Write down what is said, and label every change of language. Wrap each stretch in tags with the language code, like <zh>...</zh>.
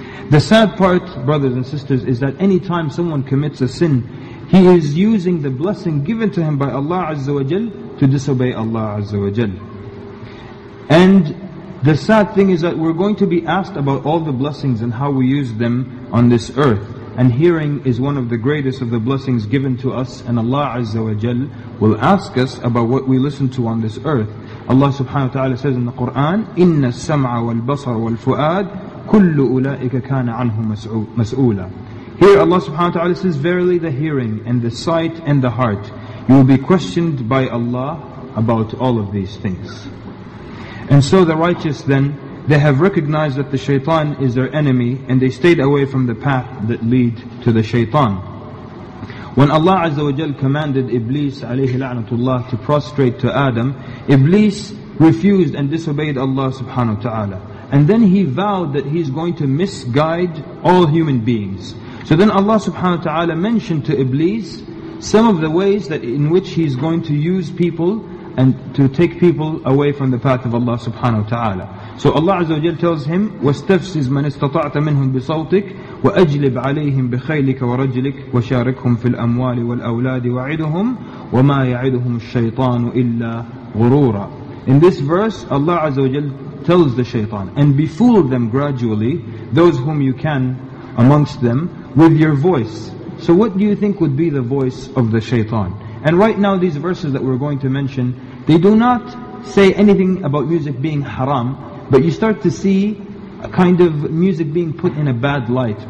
<en>The sad part, brothers and sisters, is that any time someone commits a sin, he is using the blessing given to him by Allah Azza wa Jal to disobey Allah Azza wa Jal. And the sad thing is that we're going to be asked about all the blessings and how we use them on this earth. And hearing is one of the greatest of the blessings given to us, and Allah Azza wa Jal will ask us about what we listen to on this earth. Allah subhanahu wa ta'ala says in the Quran,</en> <ar>إِنَّ السَّمْعَ وَالْبَصَرَ وَالْفُؤَادِ كُلُّ أُولَٰئِكَ كَانَ عَنْهُ مَسْؤُولًا.</ar> <en>Here Allah subhanahu wa ta'ala says, verily the hearing and the sight and the heart, you will be questioned by Allah about all of these things. And so the righteous then, they have recognized that the shaitan is their enemy and they stayed away from the path that lead to the shaitan. When Allah Azza wa Jal commanded Iblis alayhi la'natullah to prostrate to Adam, Iblis refused and disobeyed Allah subhanahu wa ta'ala. And then he vowed that he's going to misguide all human beings. So then Allah subhanahu wa ta'ala mentioned to Iblis some of the ways that in which he's going to use people and to take people away from the path of Allah subhanahu wa ta'ala. So Allah Azza wa Jal tells him,</en> <ar>وَاسْتَفْزِزْ مَنِ اسْتَطَعْتَ مِنْهُمْ بِصَوْتِكَ وَأَجْلِبْ عَلَيْهِمْ بِخَيْلِكَ وَرَجْلِكَ وَشَارِكْهُمْ فِي الْأَمْوَالِ وَالْأَوْلَادِ وَعِدُهُمْ وَمَا يَعِدُهُمُ الشَّيْطَانُ إِلَّا غُرُورًا.</ar> <en>In this verse, Allah Azza wa Jal tells the shaitan, and befool them gradually, those whom you can amongst them, with your voice. So what do you think would be the voice of the shaitan? And right now these verses that we're going to mention, they do not say anything about music being haram, but you start to see a kind of music being put in a bad light.</en>